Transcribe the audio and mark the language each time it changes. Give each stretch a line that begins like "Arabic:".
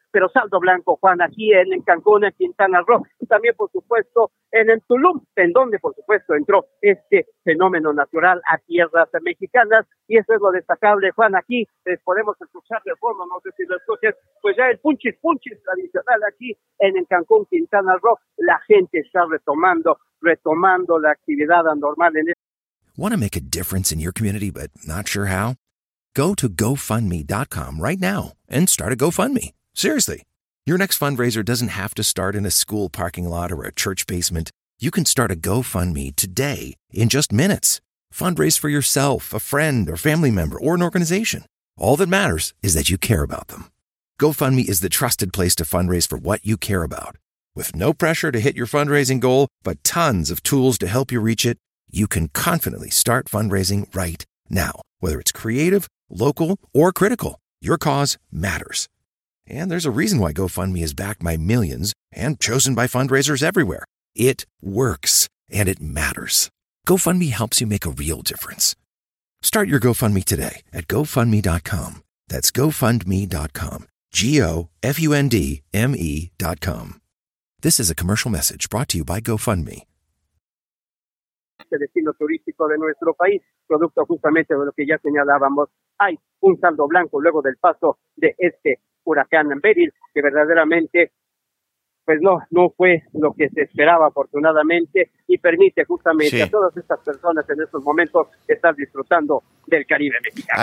Spanish: Pero saldo blanco, Juan, aquí en Cancún, en Quintana Roo, y también, por supuesto, en Tulum, en donde, por supuesto, entró este fenómeno natural a tierras mexicanas. Y eso es lo destacable, Juan. Aquí podemos escuchar de fondo, no sé si lo escuchas, pues ya el punchis tradicional aquí en Cancún, Quintana Roo. La gente está retomando la actividad anormal en este.
English: Want to make a difference in your community but not sure how? Go to GoFundMe.com right now and start a GoFundMe. Seriously, your next fundraiser doesn't have to start in a school parking lot or a church basement. You can start a GoFundMe today in just minutes. Fundraise for yourself, a friend, or family member, or an organization. All that matters is that you care about them. GoFundMe is the trusted place to fundraise for what you care about. With no pressure to hit your fundraising goal, but tons of tools to help you reach it, you can confidently start fundraising right now. Whether it's creative, local, or critical, your cause matters. And there's a reason why GoFundMe is backed by millions and chosen by fundraisers everywhere. It works, and it matters. GoFundMe helps you make a real difference. Start your GoFundMe today at GoFundMe.com. That's GoFundMe.com. GoFundMe.com. This is a commercial message brought to you by GoFundMe.
Spanish: Este destino turístico de nuestro país, producto justamente de lo que ya señalábamos, hay un saldo blanco luego del paso de este huracán Beryl, que verdaderamente, pues no fue lo que se esperaba, afortunadamente, y permite justamente, sí, a todas estas personas en estos momentos estar disfrutando del Caribe mexicano.